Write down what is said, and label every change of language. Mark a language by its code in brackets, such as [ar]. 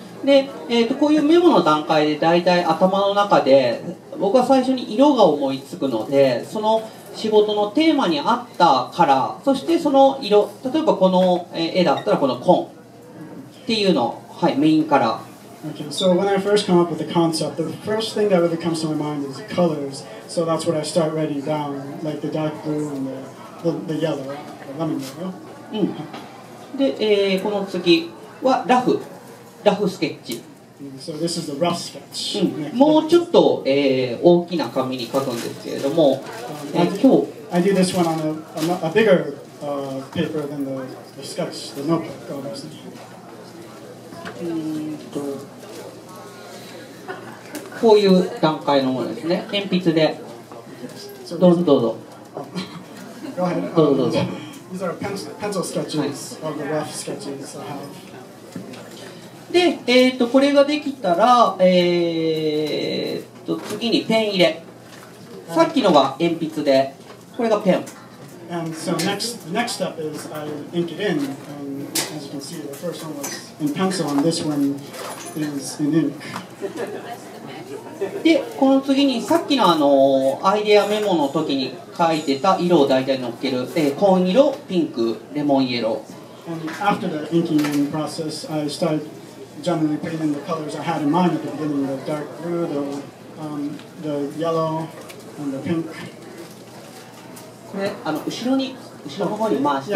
[ja] で、こういうメモの段階で大体頭の中で、僕は最初に色が思いつくので、その仕事のテーマに合ったカラー、そしてその色、例えばこの絵だったらこの紺っていうの、はい、メインカラー。 [en] Okay, so when I first come up with the concept, the first thing that really comes to my mind is the colors, so that's what I start writing down, like the dark blue and the yellow, the lemon yellow. [ja] で、この次はラフ、ラフスケッチ。 [en] So this is the rough sketch. [ja] もうちょっと、大きな紙に書くんですけれども、今日 [en] I do this one on a bigger paper than the sketch, the notebook, obviously. [ja] こういう段階のものですね。鉛筆で。どうぞどうぞ。 [en] Go ahead. [ja] どうぞどうぞ。 [en] These are pencil sketches of the rough sketches I have. [ja] で、これができたら、次にペン入れ。さっきのが鉛筆で、これがペン。 [en] And so next step is I ink it in. And as you can see, the first one was in pencil, and this one is in ink. [ja] で、この次にさっきのあのアイデアメモの時に書いてた色を大体のっける。紺色、ピンク、レモンイエロー。 [en] And after the inking in process, I start generally putting in the colors I had in mind at the beginning: the dark blue, the yellow, and the pink. [ja] あの後ろに後ろの方に回してい